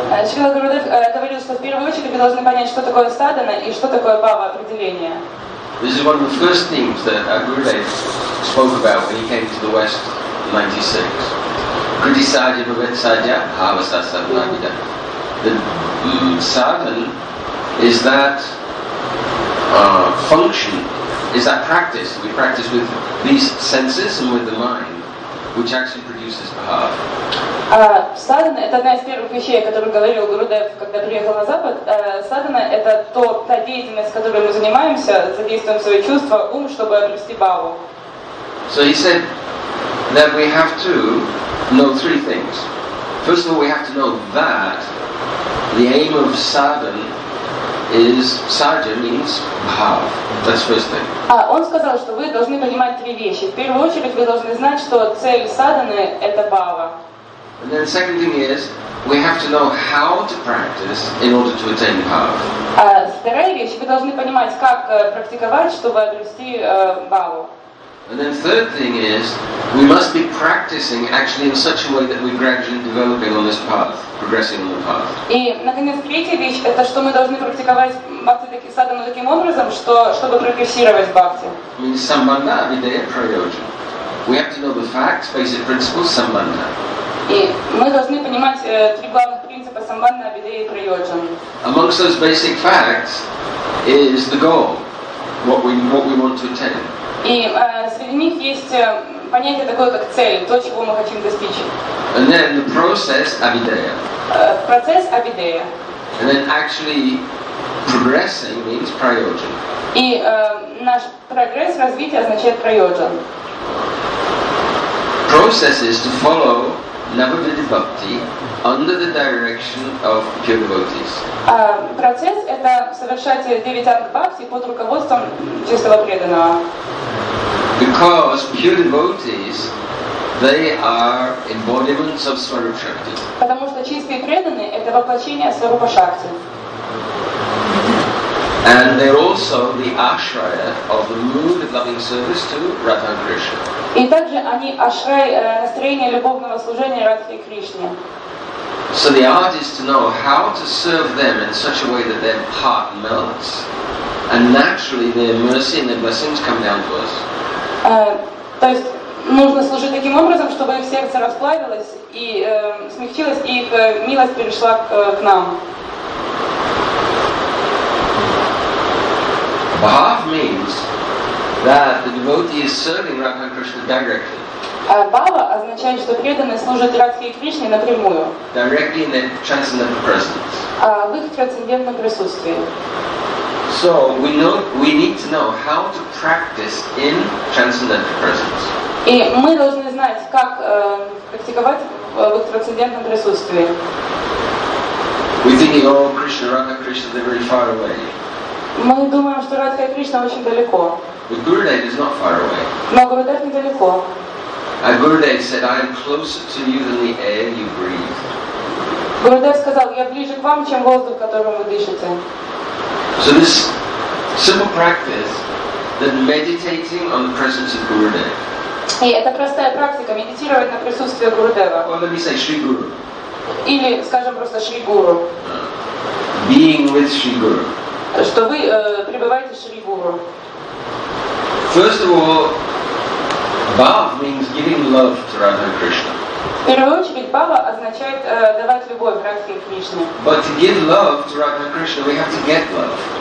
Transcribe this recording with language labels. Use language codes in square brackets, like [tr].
[ru] Шрила Гурудев говорил, что в первую очередь мы должны понять, что такое садхана и что такое бхава определение. [en] This is one of the first things that Gurudev spoke about when he came to the West in 96. [sa] Kriti Sajya Bhavet Sajya Bhavasa Sadhanagida. [en] The sadhana is that function, is that practice. We practice with these senses and with the mind, which actually produces bhava. [ru] Sadhana – это одна из первых вещей, о которых говорил Гурудев, когда приехал на Запад. Sadhana – это та деятельность, которой мы занимаемся, задействуем свои чувства, ум, чтобы обрести бхаву. [en] So he said that we have to know three things. First of all, we have to know that the aim of sadhana is sadhya means bhava. That's first thing. [ru] Он сказал, что вы должны понимать три вещи. В первую очередь, вы должны знать, что цель sadhana – это бхава. [en] And then the second thing is, we have to know how to practice in order to attain bhava. [ru] Вторая вещь, вы должны понимать, как практиковать, чтобы обрести бхаву. [en] And then the third thing is, we must be practicing actually in such a way that we're gradually developing on this path, progressing on the path. [ru] И, наконец, третья вещь, это что мы должны практиковать бхакти садхану таким образом, чтобы прогрессировать бхакти. [en] Means sambandha, vidaya, prayojan. We have to know the facts, basic principles, sambandha. [ru] И мы должны понимать три главных принципа [sa] prasambandha vidhi prayojan. [en] Amongst those basic facts is the goal, what we want to attain. [ru] И среди них есть понятие такое, как цель, то, чего мы хотим достичь. [en] And then the process, abhideya. [ru] Процесс abhideya. [en] And then actually progressing means prayojan. [ru] И наш прогресс, развитие означает prayojan. [en] Process is to follow Navodita Bhakti under the direction of pure devotees. [ru] Процесс – это совершать девятанг бхакти под руководством чистого преданного. [en] Because pure devotees, they are embodiments of Swarupa Shakti. [ru] Потому что чистые преданные – это воплощение Swarupa Shakti. [en] And they're also the ashraya of the mood of loving service to Radha and Krishna. [ru] И также они ашрай настроения любовного служения Радхе и Кришне. [en] So the art is to know how to serve them in such a way that their heart melts, and naturally their mercy and their blessings come down to us. [ru] То есть нужно служить таким образом, чтобы их сердце расплавилось и смягчилось, и их милость перешла к нам. [en] Bhav means that the devotee is serving Radha Krishna directly. [ru] Bhava означает, что преданный служит Радхе и Кришне напрямую. [en] Directly in their transcendental presence. [ru] В их трансцендентном присутствии. [en] So we need to know how to practice in transcendental presence. [ru] И мы должны знать, как практиковать в их трансцендентном присутствии. [en] We think, oh, Krishna, Radha Krishna, they're very far away. [ru] Мы думаем, что Радха и Кришна очень далеко. [en] But Gurudev is not far away. [ru] Но Гурудев недалеко. [en] And Gurudev said, I am closer to you than the air you breathe. [ru] Гурудев сказал, я ближе к вам, чем воздух, которым вы дышите. [en] So this simple practice, that meditating on the presence of Gurudev. [ru] И это простая практика, медитировать на присутствие Гурудева. [en] Or let me say, Shri Guru. [ru] Или, скажем просто, Шри Гуру. [en] Being with Shri Guru. [ru] Что вы пребываете в Шри Гуру. [en] First of all, Bhav means giving love to Radha and Krishna. [ru] В первую очередь, Bhava означает давать любовь Радхе и Кришне. [en] But to give love to Radha and Krishna, we have to get love.